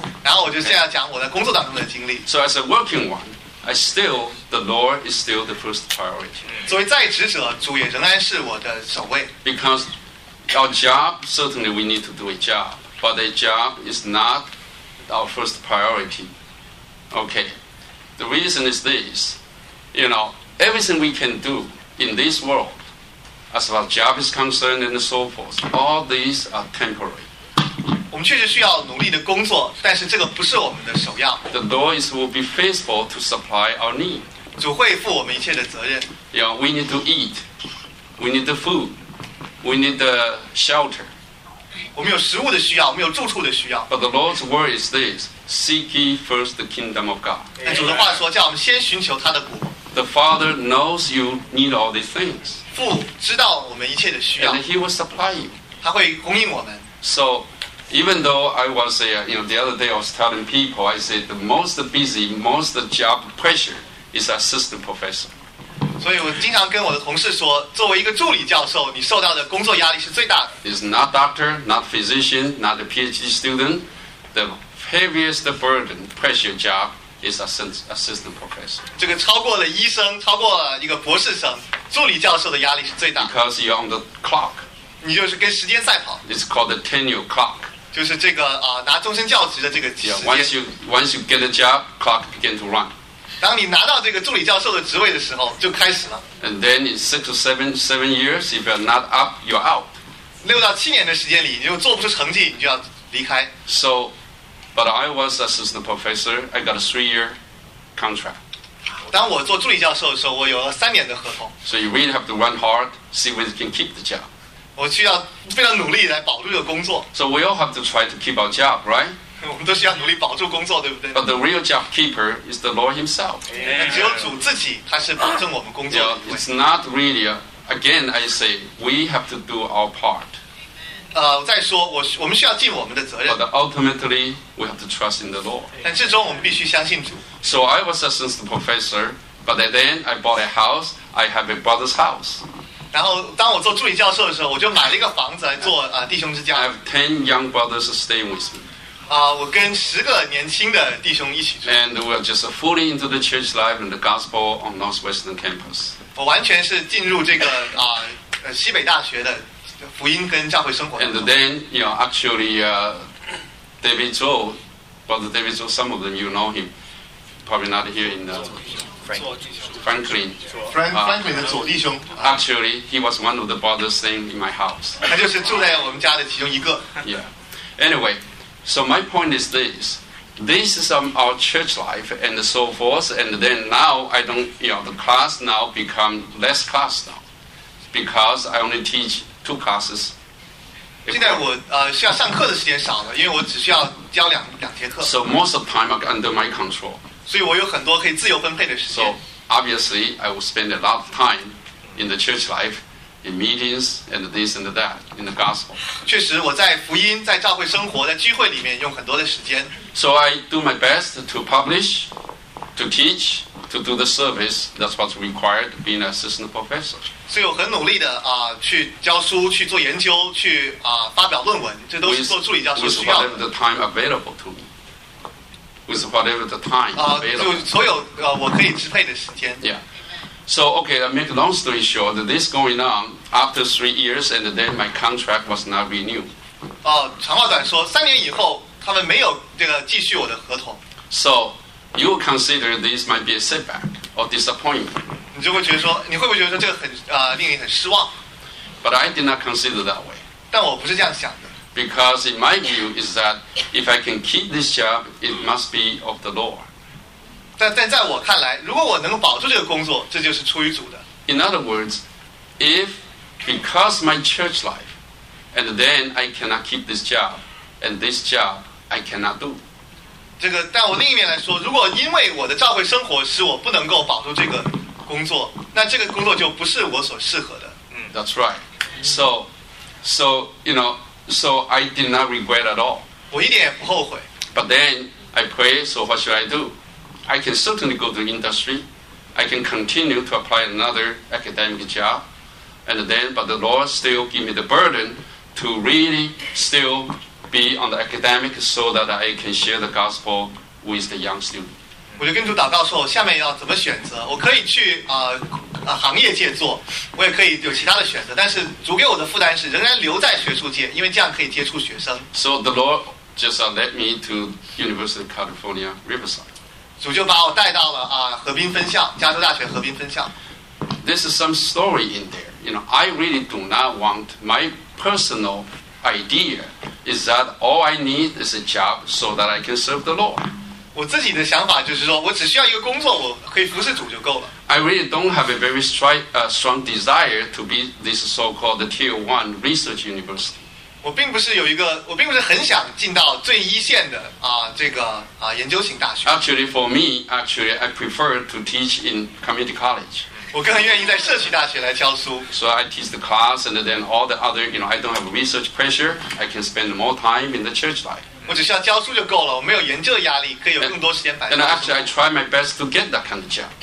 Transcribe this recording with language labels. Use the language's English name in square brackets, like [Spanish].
[Chinese] 然后我就现在讲我的工作当中的经历。 [English] So as a working one, I still the Lord is still the first priority. [Chinese] 作为在职者，主也仍然是我的首位。 [English] Because our job certainly we need to do a job, but a job is not our first priority. Okay, the reason is this, you know.Everything we can do in this world, as far as job is concerned and so forth, all these are temporary. [Chinese] 我们确实需要努力的工作，但是这个不是我们的首要。 [English] The Lord is will be faithful to supply our need. [Chinese] 主会负我们一切的责任。 [English] Yeah, we need to eat. We need the food. We need the shelter. [Chinese] 我们有食物的需要，我们有住处的需要。 [English] But the Lord's word is this: Seek ye first the kingdom of God. [Chinese] 但主的话说，叫我们先寻求他的国。 [English] The Father knows you need all these things. [Chinese] 父知道我们一切的需要。 [English] And He will supply you. [Chinese] 他会供应我们。 [English] So, even though I was, you know, the other day I was telling people, I said the most busy, most job pressure is assistant professor. [Chinese] 所以我经常跟我的同事说，作为一个助理教授，你受到的工作压力是最大的。 [English] It's not doctor, not physician, not a PhD student. The heaviest burden, pressure job. Is assistant professor. [Chinese] 这个超过了医生，超过了一个博士生，助理教授的压力是最大的。 [English] Because you're on the clock. [Chinese] 你就是跟时间赛跑。 [English] It's called the tenure clock. [Chinese] 就是这个啊，拿终身教职的这个时间。 [English] Yeah, once you get a job, clock begin to run. [Chinese] 当你拿到这个助理教授的职位的时候，就开始了。 [English] And then in six or seven years, if you're not up, you're out. [Chinese] 六到七年的时间里，你就做不出成绩，你就要离开。 [English] So. But I was assistant professor. I got a 3-year contract. [Chinese] 当我做助理教授的时候，我有了三年的合同。 [English] So you really have to run hard, see whether you can keep the job. [Chinese] 我需要非常努力来保住这个工作。 [English] So we all have to try to keep our job, right? [Chinese] 我们都需要努力保住工作，对不对 [English] ？But the real job keeper is the Lord Himself. [Chinese] 只有主自己，他是保证我们工作的。 [English] It's not really. Again, I say we have to do our part. [Chinese] 再说我们需要尽我们的责任。 [English] But ultimately, we have to trust in the Lord. [Chinese] 但最终我们必须相信主。 [English] So I was a assistant professor, but then I bought a house. I have a brother's house. [Chinese] 然后当我做助理教授的时候，我就买了一个房子来做弟兄之家。 [English] I have 10 young brothers staying with me. [Chinese] 我跟十个年轻的弟兄一起住。 [English] And we are just fully into the church life and the gospel on Northwestern campus. [Chinese] 我完全是进入这个西北大学的。福音跟教会生活。 [English] And then, you know, actually, David Zhou, Brother David Zhou, some of them you know him, probably not here in the Franklin. [Chinese] Franklin 的左弟兄。 [English] Actually, he was one of the brothers staying in my house. [Chinese] 他就是住在我们家的其中一个。 [English] Yeah. Anyway, so my point is this: this is our church life and so forth. And then now, I don't, you know, the class now become less class now, because I only teach. Two classes. [Chinese] 现在我需要上课的时间少了，因为我只需要教两节课。 [English] So most of time are under my control. [Chinese] 所以我有很多可以自由分配的时间。 [English] So obviously I will spend a lot of time in the church life, in meetings and this and that in the gospel. [Chinese] 确实，我在福音、在教会生活、在聚会里面用很多的时间。 [English] So I do my best to publish, to teach. To do the service, that's what's required being an assistant professor. So I'm very [Chinese] 努力的啊，去教书，去做研究，去啊发表论文，这都是做助理教授需要。 [English] With whatever the time available to me. With whatever the time available. [Chinese] 就所有我可以支配的时间。 [English] Yeah. So okay, I make a long story short. This going on after 3 years, and then my contract was not renewed. [Chinese] 长话短说，三年以后他们没有这个继续我的合同。 [English] So. You will consider this might be a setback or disappointment. [Chinese] 你就会觉得说，你会不会觉得说这个很令你很失望 [English] ？But I did not consider that way. [Chinese] 但我不是这样想的。 [English] Because in my view is that if I can keep this job, it must be of the Lord. [Chinese] 但在我看来，如果我能够保住这个工作，这就是出于主的。 [English] In other words, if because my church life, and then I cannot keep this job I cannot do. [Chinese] 这个，但我另一面来说，如果因为我的教会生活使我不能够保住这个工作，那这个工作就不是我所适合的。 [English] That's right. So, you know, so I did not regret at all. [Chinese] 我一点也不后悔。 [English] But then I pray. So what should I do? I can certainly go to industry. I can continue to apply another academic job. And then, but the Lord still give me the burden to really still. Be on the academic so that I can share the gospel with the young student. [Chinese] 我就跟主祷告说，我下面要怎么选择？我可以去行业界做，我也可以有其他的选择。但是主给我的负担是仍然留在学术界，因为这样可以接触学生。 [English] So the Lord just led me to University of California Riverside. [Chinese] 主就把我带到了河滨分校，加州大学河滨分校。 [English] This is some story in there. you know, I really do not want, my personal idea is that all I need is a job so that I can serve the Lord. [Chinese] 我自己的想法就是说，我只需要一个工作，我可以服侍主就够了。 [English] I really don't have a very strong desire to be this so-called tier one research university. [Chinese] 我并不是很想进到最一线的研究型大学。 [English] Actually, for me, actually, I prefer to teach in community college. [Chinese] 我更愿意在社区大学来教书。 [English] So I teach the class, and then all the other, you know, I don't have research pressure. I can spend more time in the church life. [Chinese] 我只需要教书就够了，我没有研究压力，可以有更多时间摆上。 [English] And actually, I try my best to get that kind of job.